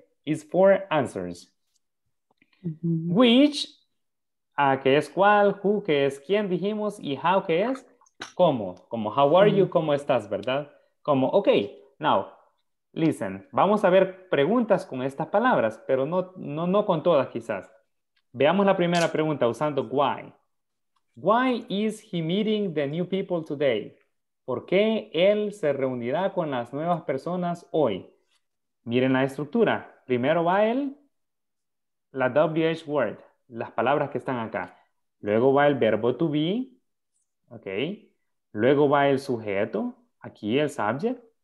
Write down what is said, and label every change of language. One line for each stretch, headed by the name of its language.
English: It's for answers.
Spanish: Uh-huh. Which, que es cuál, who, que es quién, dijimos, y how, que es cómo. Como
English: how are you,
Spanish: cómo estás, ¿verdad? Como,
English: ok, now, listen,
Spanish: vamos a ver preguntas con estas palabras, pero no con todas quizás. Veamos la primera pregunta usando why.
English: Why is he meeting the new people today?
Spanish: ¿Por qué él se reunirá con las nuevas personas hoy? Miren la estructura. Primero va la WH word, las palabras que están acá. Luego va el verbo to be, ok. Luego va el sujeto, aquí el subject.